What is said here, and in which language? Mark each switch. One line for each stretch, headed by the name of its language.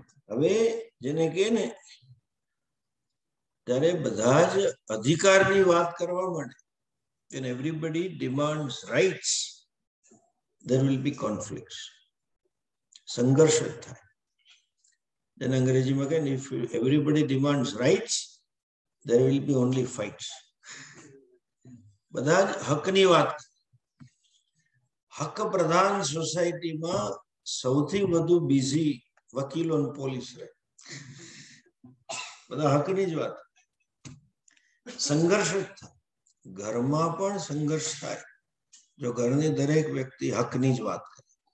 Gujarati: હવે જેને કહે ને ત્યારે બધા જ અધિકારની વાત કરવા માટે when everybody demands rights there will be conflicts, સંઘર્ષ થાય.
English: જેને અંગ્રેજીમાં કહે ને if everybody demands rights there will be only fights.
Gujarati: બધા જ હકની વાત. હક પ્રધાન સોસાયટીમાં સૌથી વધુ બિઝી વકીલો અને પોલીસ રહે, બધા હકની જ વાત. સંઘર્ષ જ થાય ઘરમાં, પણ સંઘર્ષ થાય જો ઘરની દરેક વ્યક્તિ હકની જ વાત કરે.